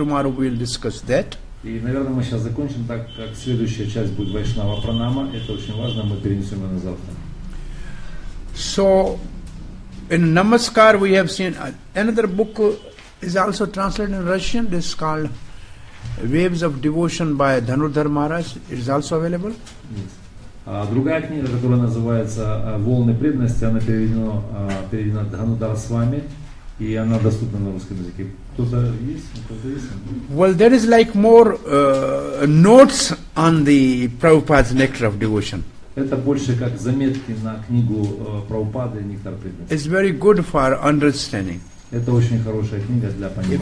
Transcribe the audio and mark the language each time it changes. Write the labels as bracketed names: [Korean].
[English] Tomorrow we'll discuss that. [Russian] И, наверное, мы сейчас закончим, так как следующая часть будет Вайшнава Пранама. Это очень важно, мы перенесем ее на завтра. [English] So, in Namaskar we have seen another book is also translated in Russian. This is called Waves of Devotion by Dhanurdhar Maharaj. It is also available. Yes. [Russian] Другая книга, которая называется «Волны преданности», она переведена Dhanurdhar Swami, и она доступна на русском языке. Кто-то есть? [English] Well, there is like more notes on the Prabhupada's Nectar of Devotion. [Russian] Это больше как заметки на книгу Прабхупады «Нектар преданности». [English] It's very good for understanding. [Russian] Это очень хорошая книга для понимания.